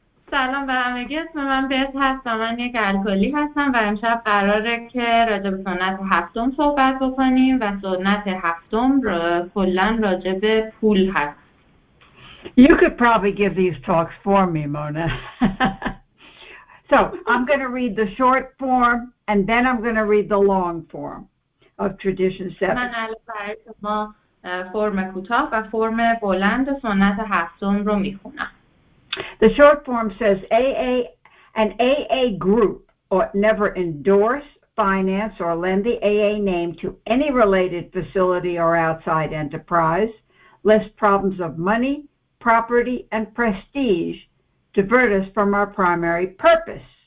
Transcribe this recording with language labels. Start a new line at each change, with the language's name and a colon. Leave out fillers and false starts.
Persian: سلام به همگی، اسم من بهت هست و من یک الکلی هستم و امشب قراره که راجع به سنت هفتم صحبت بکنیم و سنت هفتم کلن راجع به پول هست.
English: You could probably give these talks for me, Mona. So I'm going to read the short form and then I'm going to read the long form of Tradition 7.
Persian: من الان برای شما فرم کوتاه و فرم بلند سنت هفتم رو میخونم.
English: The short form says AA, an AA group ought never endorse, finance, or lend the AA name to any related facility or outside enterprise, lest problems of money, property, and prestige divert us from our primary purpose.